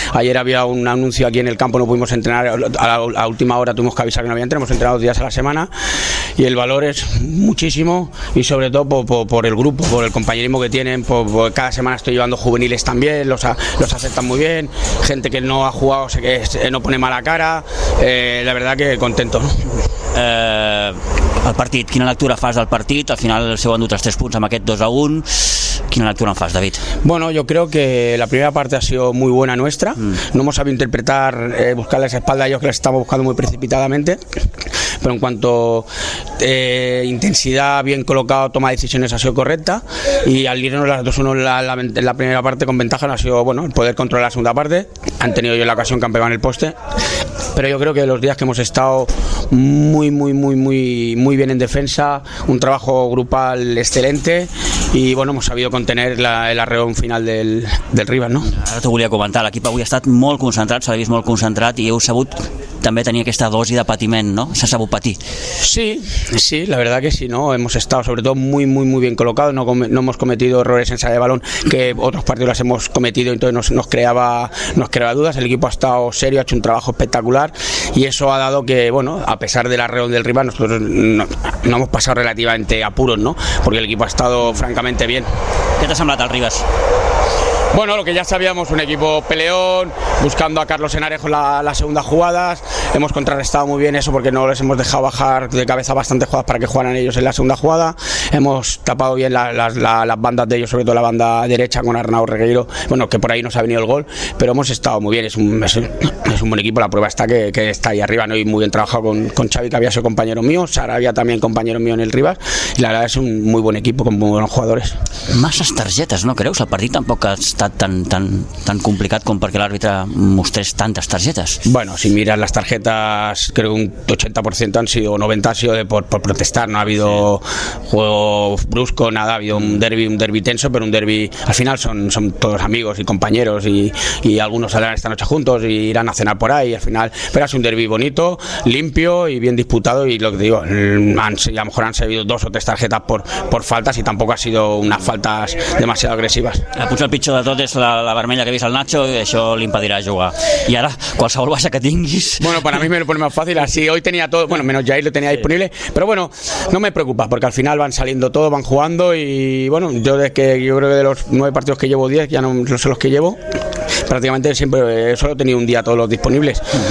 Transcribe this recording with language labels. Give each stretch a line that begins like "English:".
Spanish: Ayer había un anuncio aquí en el campo, no pudimos entrenar, a última hora tuvimos que avisar que no había entrenado, hemos entrenado 2 días a la semana, y el valor es muchísimo, y sobre todo por el grupo, por el compañerismo que tienen, por cada semana estoy llevando juveniles también, los aceptan muy bien, gente que no ha jugado, sé que no pone mala cara, la verdad que contento, ¿no?
Catalan: El partit, quina lectura fas del partit? Al final se han dut els 3 punts amb aquest 2-1. ¿Quién la actúa en fase, David?
Spanish: Bueno, yo creo que la primera parte ha sido muy buena nuestra. No hemos sabido interpretar, buscarles espalda a ellos, que les estamos buscando muy precipitadamente. Pero en cuanto intensidad, bien colocado, toma de decisiones, ha sido correcta. Y al irnos las 2-1 la primera parte con ventaja, no ha sido bueno el poder controlar la segunda parte. Han tenido yo la ocasión que han pegado en el poste. Pero yo creo que los días que hemos estado muy, muy, muy, muy, muy bien en defensa, un trabajo grupal excelente. Y bueno, hemos sabido contener el arreón final del Ribas, ¿no?
Catalan: Ara t'ho volia comentar, l'equip avui ha estat molt concentrat, se l'ha vist molt concentrat, i heu sabut també tenir aquesta dosi de patiment, ¿no? S'ha sabut patir.
Spanish: Sí, sí, la verdad que sí, ¿no? Hemos estado sobre todo muy, muy, muy bien colocados, no hemos cometido errores en salida de balón, que otros partidos las hemos cometido, entonces nos creaba dudas. El equipo ha estado serio, ha hecho un trabajo espectacular, y eso ha dado que, bueno, a pesar del arreón del Ribas, nosotros no hemos pasado relativamente apuros, ¿no? Porque el equipo ha estado francamente bien.
Catalan: ¿Qué te ha semblat el Ribas?
Spanish: Bueno, lo que ya sabíamos, un equipo peleón, buscando a Carlos Henarejo las segundas jugadas. Hemos contrarrestado muy bien eso porque no les hemos dejado bajar de cabeza bastantes jugadas para que jugaran ellos en la segunda jugada. Hemos tapado bien las bandas de ellos, sobre todo la banda derecha con Arnau Regueiro, bueno, que por ahí nos ha venido el gol, pero hemos estado muy bien. Es un buen equipo, la prueba está que está ahí arriba, ¿no? Y muy bien trabajado con Xavi, que había sido compañero mío, Sarabia también compañero mío en el Ribas, y la verdad es un muy buen equipo con muy buenos jugadores.
Catalan: Masses targetes, ¿no creus? El partit tampoc ha estat tan complicat com perquè l'àrbitre mostrés tantes targetes.
Spanish: Bueno, si miras las tarjetas, creo un 80% han sido, 90% han sido por protestar, no ha habido juego brusco, nada, ha habido un derbi tenso, pero un derbi, al final son todos amigos y compañeros, y algunos saldrán esta noche juntos y irán a cenar por ahí, al final, pero ha sido un derbi bonito, limpio y bien disputado, y lo que digo, a lo mejor han servido 2 o 3 tarjetas por faltas, y tampoco ha sido unas faltas demasiado agresivas.
Catalan: Potser el pitjor de tot és la vermella que ha vist el Nacho, i això li impedirà jugar. I ara, qualsevol baixa que tinguis...
Spanish: Bueno, para mí me lo pone más fácil, así hoy tenía todo, bueno, menos Jair lo tenía disponible, pero bueno, no me preocupa, porque al final van saliendo todos, van jugando, y bueno, yo creo que de los 9 partidos que llevo, 10, ya no sé los que llevo, prácticamente siempre solo he tenido un día todos los disponibles.